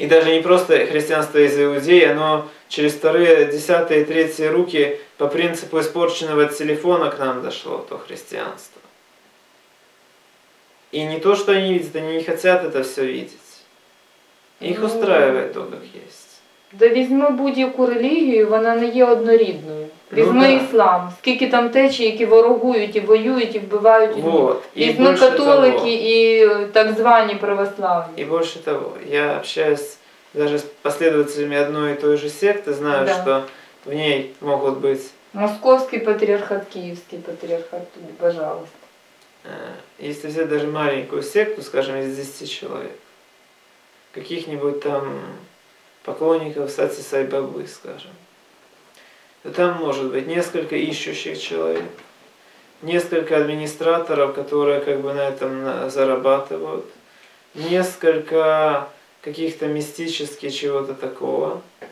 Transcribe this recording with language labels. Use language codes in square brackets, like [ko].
[ru] И даже не просто христианство из Иудеи, оно через вторые, десятые, третьи руки по принципу испорченного телефона к нам дошло, то христианство. И не то, что они видят, они не хотят это все видеть. Их устраивает то, как есть. [uk] Да візьми будь-яку релігію, вона не є однорідною. Візьми іслам. Скільки там течій, які ворогують і воюють, і вбивають. [ru] Вот. [uk] Візьми католики і так звані православні. І більше того, [ru] я общаюсь даже с последователями одной и той же секты, знаю, да, что в ней могут быть... Московский патриархат, Киевский патриархат, пожалуйста. Если взять даже маленькую секту, скажем, из 10 человек, каких-нибудь там поклонников Сати Сай Бабы, скажем, то там может быть несколько ищущих человек, несколько администраторов, которые как бы на этом зарабатывают, несколько каких-то мистических чего-то такого.